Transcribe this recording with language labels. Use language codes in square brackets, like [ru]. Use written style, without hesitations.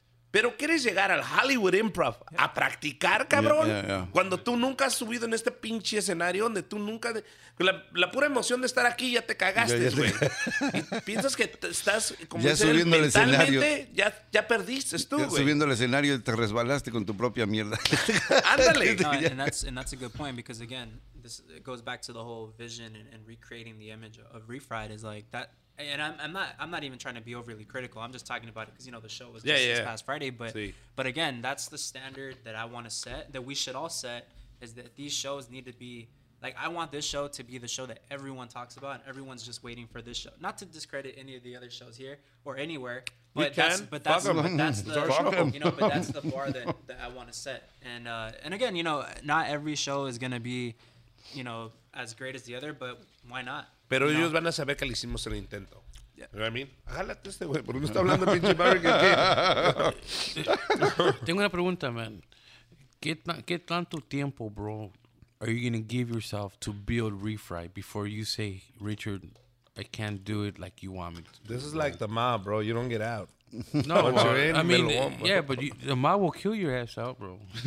[es] Pero ¿quieres llegar al Hollywood Improv a practicar, cabrón? Cuando tú nunca has subido en este pinche escenario donde tú nunca... La pura emoción de estar aquí ya te cagaste, güey. Piensas que estás... como ya subiendo el escenario. Ya perdiste tú, güey. Subiendo el escenario te resbalaste con tu propia mierda. ¡Ándale! [en] No, and that's a good point because, again, this it goes back to the whole vision and recreating the image of ReFried is like that... And I'm not even trying to be overly critical. I'm just talking about it because, you know, the show was this past Friday. But but again, that's the standard that I want to set, that we should all set, is that these shows need to be, like, I want this show to be the show that everyone talks about and everyone's just waiting for this show. Not to discredit any of the other shows here or anywhere. But that's the bar that I want to set. And again, you know, not every show is going to be, you know, as great as the other, but why not? [es] Pero ellos van a saber que le hicimos el intento. ¿Sabes lo que digo? Jálate este güey, porque no está hablando pinche barrio. Tengo una pregunta, man. ¿Qué tanto tiempo, [en] bro, are you going to give yourself to build ReFried before you say, Richard, I can't do it like you want me to? This is like the mob, bro. You don't get out. No, well, I mean, yeah, but the mob will kill your ass out, bro.